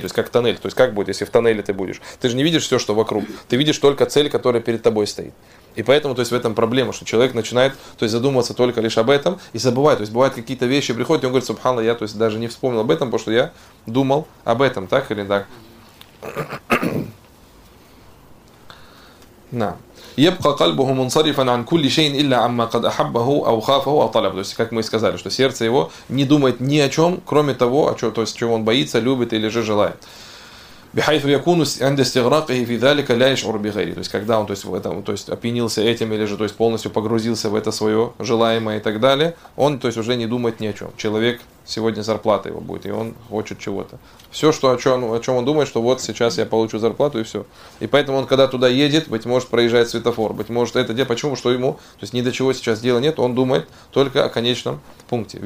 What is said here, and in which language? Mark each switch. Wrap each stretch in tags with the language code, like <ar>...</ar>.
<ru>То есть, как тоннель. То есть, как будет, если в тоннеле ты будешь? Ты же не видишь все, что вокруг. Ты видишь только цель, которая перед тобой стоит. И поэтому то есть, в этом проблема, что человек начинает то есть, задумываться только лишь об этом и забывает. То есть, бывают какие-то вещи приходят, и он говорит, субханаллах, я то есть, даже не вспомнил об этом, потому что я думал об этом, так или так? На.</ru> <ar>يبقى قلبه منصرفا عن كل شيء إلا عما قد أحبه أو خافه أو طلبه.</ar> <ru>То есть, как мы и сказали, что сердце его не думает ни о чем, кроме того, о чем, то есть, чего он боится, любит или же желает.</ru> <ar>بحيث يكون عند استغراقه في ذلك لا يشعر بغيره.</ar> <ru>То есть, когда он, то есть, в этом, то есть, опьянился этим или же, то есть, полностью погрузился в это свое желаемое и так далее, он, то есть, уже не думает ни о чем. Человек сегодня зарплата его будет, и он хочет чего-то. Все, что, о чем он думает, что вот сейчас я получу зарплату, и все. И поэтому он, когда туда едет, быть может, проезжает светофор, быть может, это где, почему, что ему, то есть, ни до чего сейчас дела нет, он думает только о конечном пункте.</ru>